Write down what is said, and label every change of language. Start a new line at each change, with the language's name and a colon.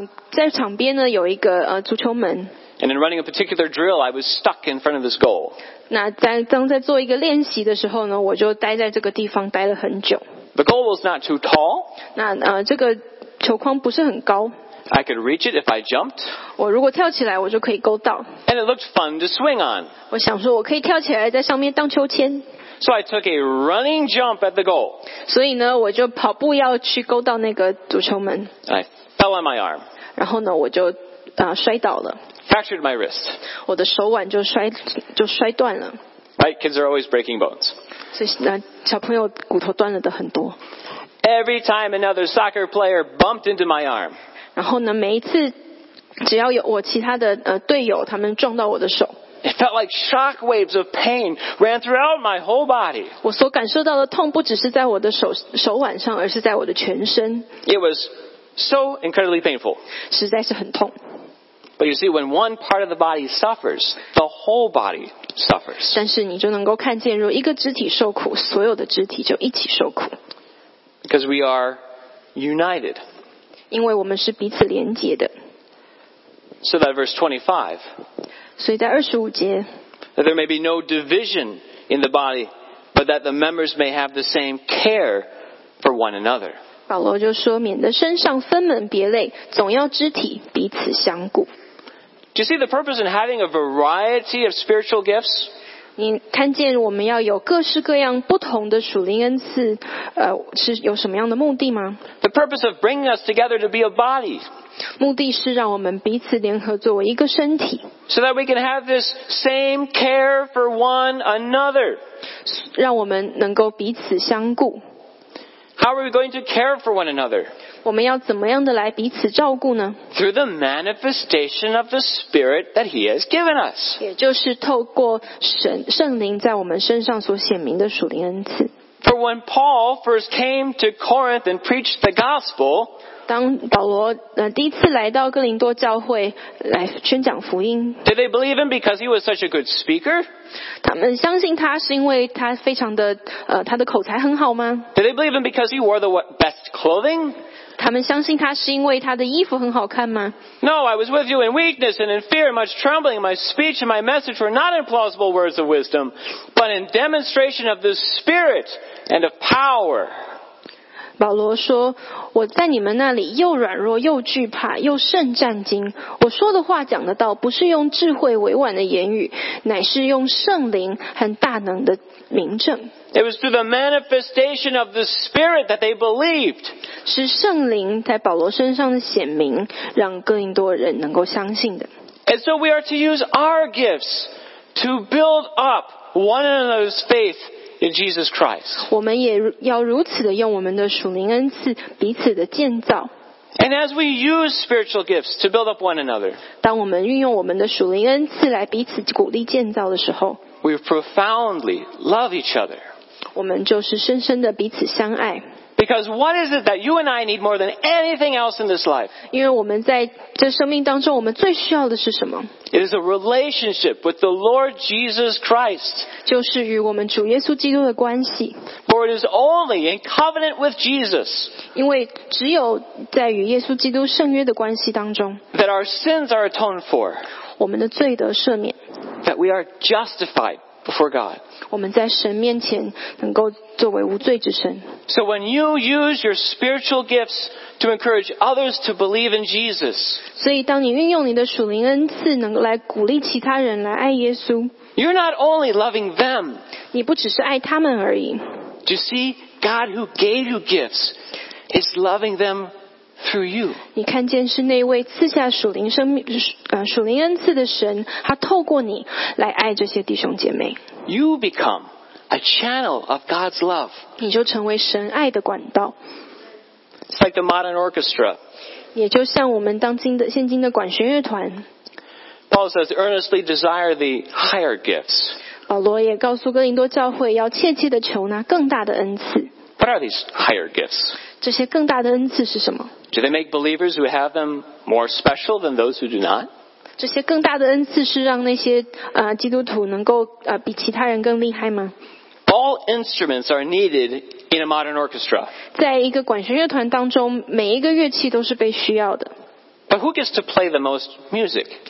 Chinese: 在场边呢有一个足球门。
English: And in running a particular drill, I was stuck in front of this goal.
Chinese: 那在当在做一个练习的时候呢，我就待在这个地方待了很久。
English: The goal was not too tall.
Chinese: 那这个球框不是很高。
English: I could reach it if I jumped.
Chinese: 我如果跳起来，我就可以勾到。
English: And it looked fun to swing on.
Chinese: 我想说，我可以跳起来在上面荡秋千。
English: So I took a running jump at the goal.
Chinese: 所以呢，我就跑步要去勾到那个足球门。
English: I fell on my arm.
Chinese: 然后呢，我就摔倒了。
English: Fractured my wrist.
Chinese: 我的手腕就摔断了。
English: Right, kids are always breaking bones.
Chinese: 所以那小朋友骨头断了的很多。
English: Every time another soccer player bumped into my arm.
Chinese: 然后呢，每一次只要有我其他的队友他们撞到我的手。
English: It felt like shock waves of pain ran throughout my whole body.
Chinese: 我所感受到的痛不只是在我的手腕上，而是在我的全身。
English: It was so incredibly painful.
Chinese: 实在是很痛。
English: But you see, when one part of the body suffers, the whole body suffers.
Chinese: 但是你就能够看见，如果一个肢体受苦，所有的肢体就一起受苦。
English: Because we are united.
Chinese: 因为我们是彼此连结的。
English: So that verse 25.
Chinese: 所以在二十五节。
English: That there may be no division in the body, but that the members may have the same care for one another.
Chinese: 保罗就说，免得身上分门别类，总要肢体彼此相顾。
English: Do you see the purpose in having a variety of spiritual gifts?
Chinese: 你看见我们要有各式各样不同的属灵恩赐，是有什么样的目的吗？
English: The purpose of bringing us together to be a body.
Chinese: 目的是让我们彼此联合作为一个身体。
English: So that we can have this same care for one another.
Chinese: 让我们能够彼此相顾。
English: How are we going to care for one another?
Chinese: 我们要怎么样的来彼此照顾呢?
English: Through the manifestation of the Spirit that He has given us.
Chinese: 也就是透过圣灵在我们身上所显明的属灵恩赐。
English: For when Paul first came to Corinth and preached the gospel,
Chinese: 当保罗第一次来到哥林多教会来宣讲福音,
English: did they believe him because he was such a good speaker?
Chinese: 他们相信他是因为他非常的他的口才很好吗?
English: Did they believe him because he wore the best clothing?
Chinese: 他们相信他是因为他的衣服很好看吗?
English: No, I was with you in weakness and in fear, much trembling. My speech and my message were not in plausible words of wisdom, but in demonstration of the Spirit and of power.
Chinese: 保罗说，我在你们那里又软弱又惧怕又甚战惊，我说的话讲的道不是用智慧委婉的言语，乃是用圣灵和大能的明证。
English: It was through the manifestation of the Spirit that they believed.
Chinese: 是圣灵在保罗身上的显明，让哥林多人能够相信的。
English: And so we are to use our gifts to build up one another's faith in Jesus Christ.
Chinese: 我们也要如此的用我们的属灵恩赐彼此的建造。
English: And as we use spiritual gifts to build up one another,
Chinese: 当我们运用我们的属灵恩赐来彼此鼓励建造的时候，
English: we profoundly love each other.
Chinese: 我们就是深深的彼此相爱。
English: Because what is it that you and I need more than anything else in this life?
Chinese: 因为我们在这生命当中，我们最需要的是什么？
English: It is a relationship with the Lord Jesus Christ.
Chinese: 就是与我们主耶稣基督的关系。
English: For it is only in covenant with Jesus.
Chinese: 因为只有在与耶稣基督圣约的关系当中，
English: that our sins are atoned for.
Chinese: 我们的罪得赦免。
English: That we are justified before God.
Chinese: 我们在神面前能够作为无罪之身。
English: So when you use your spiritual gifts to encourage others to believe in Jesus,
Chinese: 所以当你运用你的属灵恩赐能够来鼓励其他人来爱耶稣，
English: you're not only loving them.
Chinese: 你不只是爱他们而已。
English: Do you see, God who gave you gifts is loving them through you.
Chinese: 你看见是那位赐下属灵恩赐的神，他透过你来爱这些弟兄姐妹。
English: You become a channel of God's love.
Chinese: 你就成为神爱的管道。
English: It's like the modern orchestra.
Chinese: 也就像我们现今的管弦乐团。
English: Paul says, earnestly desire the higher gifts.
Chinese: 保罗也告诉哥林多教会要切切地求那更大的恩赐。
English: What are these higher gifts?
Chinese: 这些更大的恩赐是什么？
English: Do they make believers who have them more special than those who do not?
Chinese: 这些更大的恩赐是让那些基督徒能够比其他人更厉害吗？
English: All instruments are needed in a modern orchestra.
Chinese: 在一个管弦乐团当中，每一个乐器都是被需要的。
English: But who gets to play the most music?